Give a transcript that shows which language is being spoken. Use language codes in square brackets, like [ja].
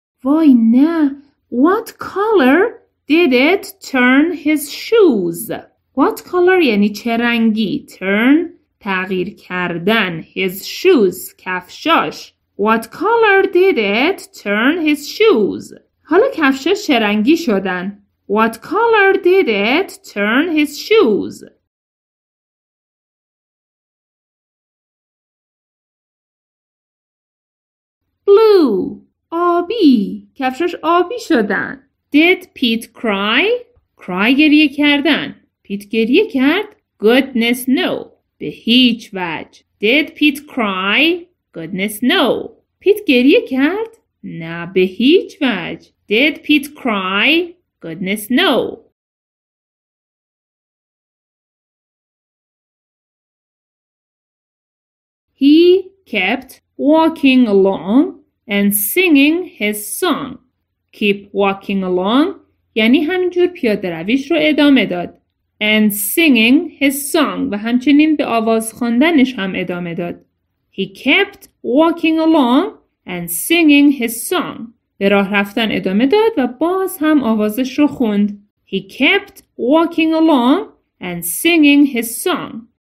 [fa] وای نه، [en] what color did it turn his shoes? What color [fa] یعنی چه رنگی؟ Turn تغییر کردن. [en] His shoes کفشاش. What color did it turn his shoes? [fa] حالا کفشاش چه رنگی شدن؟ [en] What color did it turn his shoes? [fa] Blue آبی. کفشاش آبی شدن. [en] Did Pete cry? Cry [fa] گریه کردن. Pete گریه کرد؟ [en] Goodness no. [fa] به هیچ وجه. [en] Did Pete cry? Goodness no. [fa] Pete گریه کرد؟ نه به هیچ وجه. [en] Did Pete cry? Goodness no. He kept walking along and singing his song. Keep walking along [fa] یعنی همینجور پیاده رویش رو ادامه داد. [en] And singing his song [fa] و همچنین به آواز خواندنش هم ادامه داد. [en] He kept walking along and singing his song. [fa] به راه رفتن ادامه داد و باز هم آوازش رو خوند. [en] He kept walking along and singing his song.